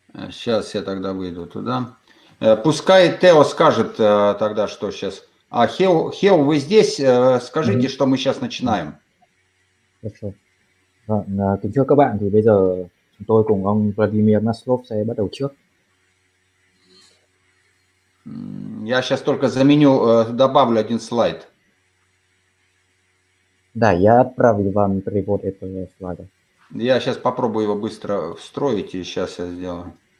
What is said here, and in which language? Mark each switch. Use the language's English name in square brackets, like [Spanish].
[Russian] Сейчас я тогда выйду туда. Пускай Тео скажет тогда, что сейчас. А Хео, вы здесь? Скажите, mm-hmm. что мы сейчас начинаем. Хорошо. [Vietnamese] Kính thưa các bạn, thì bây giờ chúng tôi cùng ông Vladimir Maslov sẽ bắt đầu trước. [Russian] Я сейчас только заменю, добавлю один слайд. Да, я отправлю вам перевод этого слайда. Я сейчас попробую его быстро встроить, и сейчас я сделаю.